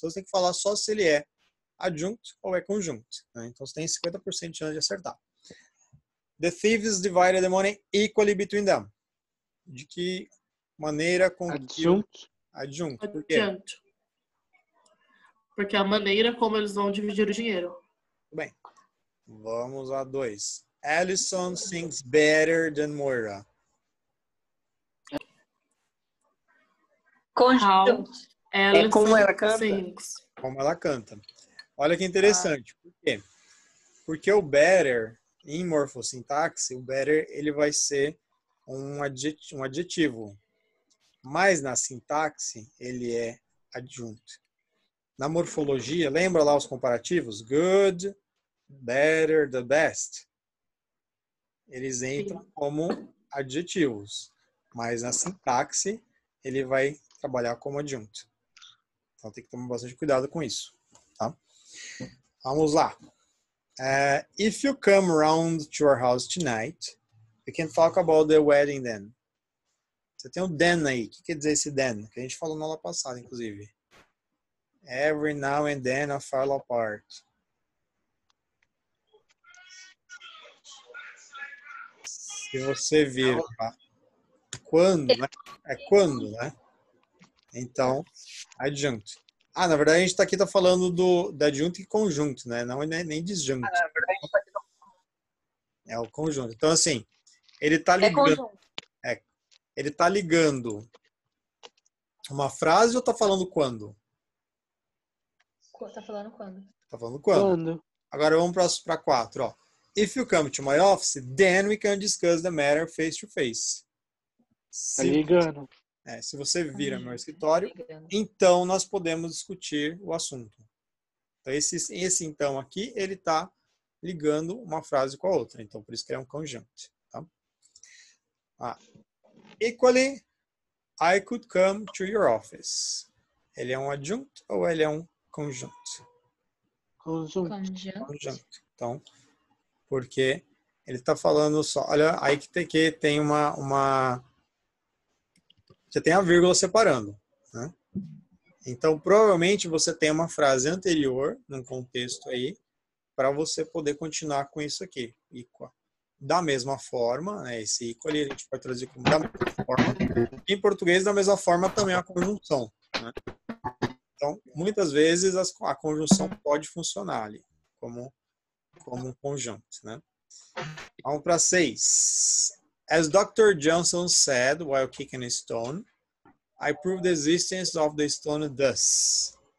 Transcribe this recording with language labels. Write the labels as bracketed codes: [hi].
[pt] Você tem que falar só se ele é adjunto ou é conjunto. Né? Então você tem 50% de chance de acertar. [en] The thieves divided the money equally between them. [pt] De que maneira com adjunto. Que... adjunto. Adjunto. Porque é a maneira como eles vão dividir o dinheiro. Bem, vamos a dois. [en] Allison sings better than Moira. [pt] Conjunto. É como ela canta. Olha que interessante. Ah. Por quê? Porque o better, em morfossintaxe, o better ele vai ser um adjetivo. Mas na sintaxe, ele é adjunto. Na morfologia, lembra lá os comparativos? [en] Good, better, the best. [pt] Eles entram Sim. como adjetivos. Mas na sintaxe, ele vai trabalhar como adjunto. Então tem que tomar bastante cuidado com isso. Tá? Vamos lá. [en] If you come around to our house tonight, we can talk about the wedding then. [pt] Você tem o then aí. O que quer dizer esse then? Que a gente falou na aula passada, inclusive. [en] Every now and then I fall apart. [pt] Se você vir. Quando, né? É quando, né? Então, adjunto. Ah, na verdade, a gente tá falando do, do adjunto e conjunto, né? Não é nem disjunto. Ah, na verdade, a gente tá aqui falando. É o conjunto. Então, assim, ele tá ligando... É conjunto. É, ele tá ligando uma frase ou tá falando quando? Tá falando quando. Tá falando quando. Quando. Agora vamos pra, pra quatro, ó. [en] If you come to my office, then we can discuss the matter face to face. [pt] Tá ligando. É, se você vir ao meu escritório, então nós podemos discutir o assunto. Então, esse então aqui, ele está ligando uma frase com a outra. Então, por isso que é um conjunto. Tá? [en] Ah, equally, I could come to your office. [pt] Ele é um adjunto ou ele é um conjunto? Conjunto. Conjunto. Então, porque ele está falando só... Olha, aí que tem uma... Você tem a vírgula separando. Né? Então, provavelmente, você tem uma frase anterior, num contexto aí, para você poder continuar com isso aqui. Equal. Da mesma forma, né, esse equal a gente pode traduzir como da mesma forma. Em português, da mesma forma, também a conjunção. Né? Então, muitas vezes, a conjunção pode funcionar ali, como um conjunto. Né? Vamos para seis. As Dr. [en] Johnson said while kicking a stone, I prove the existence of the stone thus.